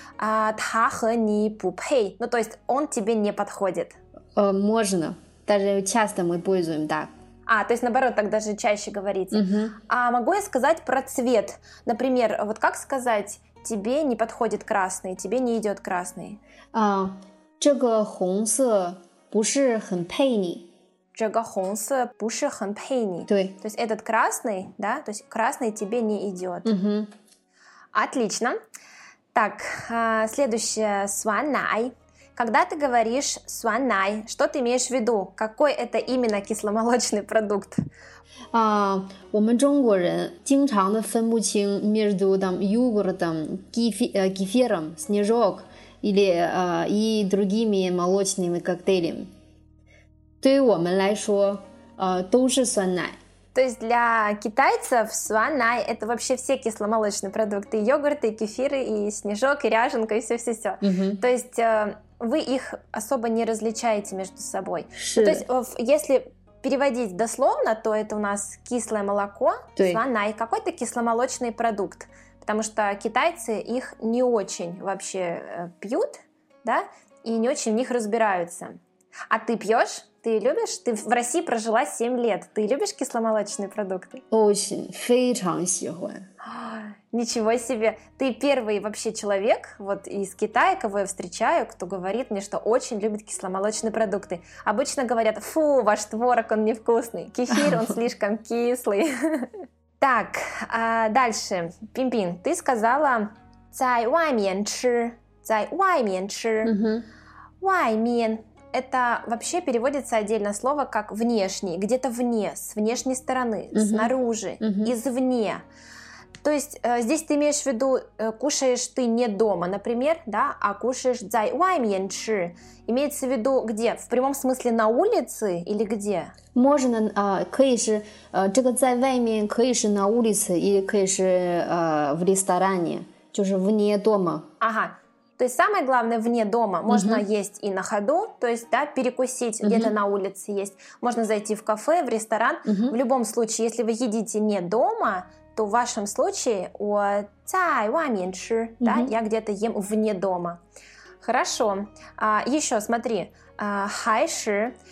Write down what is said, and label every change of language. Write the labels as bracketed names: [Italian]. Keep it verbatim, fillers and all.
[Chinese] а, 他和你不配. [Russian] Ну, то есть он тебе не подходит. 呃，можно， [Chinese] 但是 [Russian] часто мы пользуем так。 А, то есть наоборот, так даже чаще говорите. 嗯哼， А могу я сказать про цвет? Например, вот как сказать, тебе не подходит красный, тебе не идет красный? [Chinese] 啊，这个红色不是很配你。这个红色不是很配你. 对， [Russian] То есть этот красный, да, то есть красный тебе не идет. 嗯哼， Отлично. Так, а, следующее, суанай. Когда ты говоришь суанай, что ты имеешь в виду? Какой это именно кисломолочный продукт? [Chinese] 啊，我们中国人经常的分不清 [Russian] между там йогуртом, кефи- 呃 кефиром, снежок или 呃 и другими молочными коктейлями。 [Chinese] 对于我们来说，呃，都是酸奶。 [Russian] То есть для китайцев суанай это вообще все кисломолочные продукты. И йогурты, и кефиры, и снежок, и ряженка, и все-все-все. 嗯哼， То есть э, вы их особо не различаете между собой. [Chinese] 是 [Russian] Ну, [Chinese] 的 [Russian] то есть э, в- если переводить дословно, то это у нас кислое молоко, [Chinese] 对 [Russian] суанай, какой-то кисломолочный продукт. Потому что китайцы их не очень вообще э, пьют, да, и не очень в них разбираются. А ты пьешь? Ты любишь? Ты в России прожила семь лет. Ты любишь кисломолочные продукты? [Chinese] ，Ocean 非常喜欢。 [Russian] А, Ничего себе! Ты первый вообще человек вот из Китая, кого я встречаю, кто говорит мне, что очень любит кисломолочные продукты. Обычно говорят, фу, ваш творог, он невкусный. Кефир, он слишком кислый. Так, а, дальше. Пимпин, ты сказала [Chinese] 在外面吃, 在外面吃. 嗯哼， [Russian] 外面 это вообще переводится отдельно слово как внешний, где-то вне, с внешней стороны, Мгм. снаружи, Мгм. извне. То есть э, здесь ты имеешь в виду э, кушаешь ты не дома, например, да, а кушаешь 在外面吃. Имеется в виду где? В прямом смысле на улице или где? можно [Chinese] 啊，可以是呃，这个在外面可以是 [Russian] на улице， [Chinese] 也可以是呃 [Russian] в ресторане， [Chinese] 就是 [Russian] вне дома。 Ага. То есть самое главное вне дома. Можно Мгм. есть и на ходу, то есть да, перекусить Мгм. где-то на улице есть. Можно зайти в кафе, в ресторан. 嗯 В 哼， любом случае, если вы едите не дома, то в вашем случае [Chinese] 我在外面吃, [Russian] да, Мгм. я где-то ем вне дома. Хорошо. А, еще смотри, а, хайши.